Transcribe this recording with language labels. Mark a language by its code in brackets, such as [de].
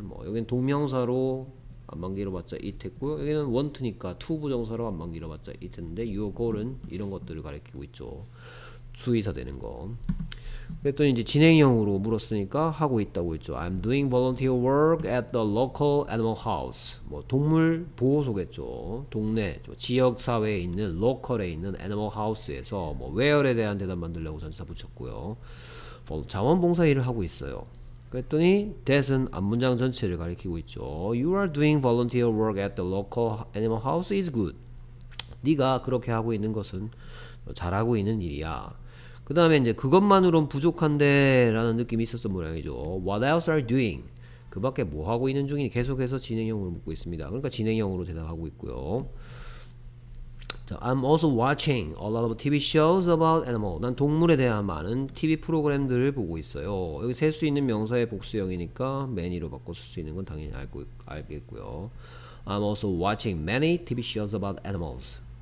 [ko] 뭐 여기는 동명사로 안만 길어봤자 it 했고요. 여기는 want니까 to 부정사로 안만 길어봤자 it 했는데 your goal은 이런 것들을 가리키고 있죠. 주의사 되는 거. 그랬더니 이제 진행형으로 물었으니까 하고 있다고 했죠. [en] I'm doing volunteer work at the local animal house. [ko] 뭐 동물 보호소겠죠. 동네, 지역 사회에 있는 로컬에 있는 animal house에서 뭐 where에 대한 대답 만들려고 전치사 붙였고요. 자원봉사 일을 하고 있어요. 그랬더니 that은 앞 문장 전체를 가리키고 있죠. [en] You are doing volunteer work at the local animal house is good. [ko] 네가 그렇게 하고 있는 것은 잘하고 있는 일이야. 그 다음에 이제 그것만으론 부족한데 라는 느낌이 있었던 모양이죠. [en] What else are you doing? [ko] 그 밖에 뭐 하고 있는 중이니 계속해서 진행형으로 묻고 있습니다. 그러니까 진행형으로 대답하고 있고요. [en] 자, I'm also watching a lot of TV shows about animals. [ko] 난 동물에 대한 많은 TV 프로그램들을 보고 있어요. 여기 셀수 있는 명사의 복수형이니까 many로 바꿔 쓸수 있는 건 당연히 알겠고요. [en] I'm also watching many TV shows about animals.